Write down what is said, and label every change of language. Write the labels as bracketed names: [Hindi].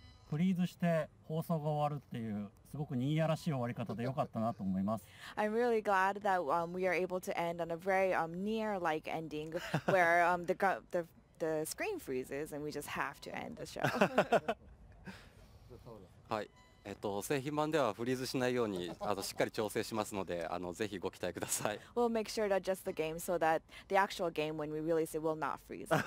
[Japanese] フリーズして放送が終わるっていうすごくニーヤらしい終わり方で良かったなと思います。 [English] I'm really glad that we are able to end on a very near-like ending where the screen freezes and we just have to end the show. [Japanese] はい、製品版ではフリーズしないようにしっかり調整しますので、ぜひご期待ください。 [English] We'll make sure to adjust the game so that the actual game when we release it will not freeze.